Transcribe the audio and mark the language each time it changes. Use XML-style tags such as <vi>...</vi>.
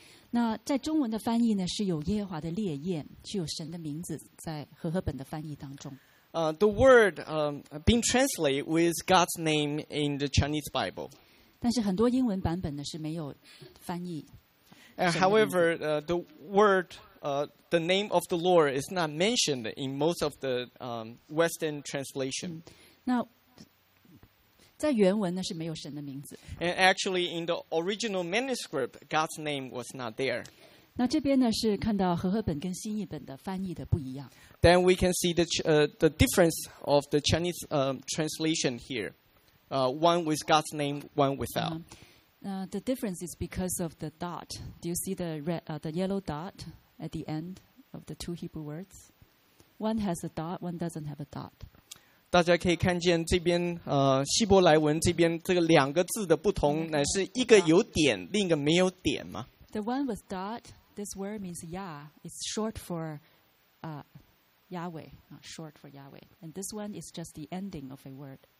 <zh>那在中文的翻译呢，是有耶和华的烈焰，是有神的名字在和合本的翻译当中。</zh> <en>The word being translated with God's name in the Chinese Bible.</en> <zh>但是很多英文版本呢是没有翻译。</zh> <en>However, the word the name of the Lord is not mentioned in most of the Western translation.</en> <zh>那在原文呢是没有神的名字。</zh> <en>And actually, in the original manuscript, God's name was not there.</en> <zh>那这边呢是看到和合本跟新译本的翻译的不一样。</zh> <en>Then we can see the difference of the Chinese translation here. One with God's name, one without. The difference is because of the dot. Do you see the red, the yellow dot at the end of the two Hebrew words? One has a dot, one doesn't have a dot.</en> <zh>大家可以看见这边希伯来文这边这个两个字的不同，乃是一个有点，另一个没有点嘛。</zh> <en>The one with dot, this word means Yah. It's short for Yahweh, short for Yahweh. And this one is just the ending of a word.</en>